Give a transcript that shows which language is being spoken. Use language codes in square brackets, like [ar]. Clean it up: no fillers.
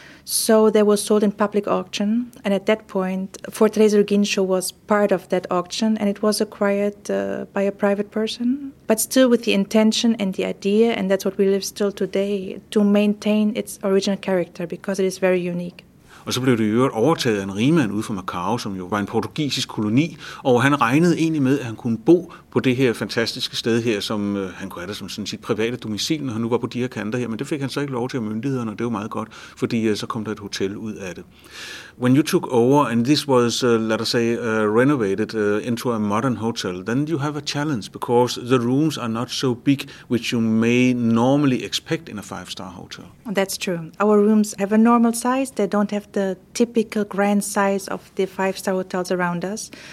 [en] So they were sold in public auction, and at that point, Fortaleza do Guincho was part of that auction, and it was acquired by a private person, but still with the intention and the idea, and that's what we live still today, to maintain its original character, because it is very unique. [da] Og så blev det jo overtaget af en rigmand ude fra Macau, som jo var en portugisisk koloni, og han regnede egentlig med, at han kunne bo på det her fantastiske sted her, som han kunne have det som sådan sit private domicil, når han nu var på de her kanter her, men det fik han så ikke lov til af myndighederne, og det var meget godt, fordi så kom der et hotel ud af det. [en] When you took over, and this was, let us say, renovated into a modern hotel, then you have a challenge, because the rooms are not so big, which you may normally expect in a five-star hotel. That's true. Our rooms have a normal size. They don't have the typical grand size of the five-star hotels around us.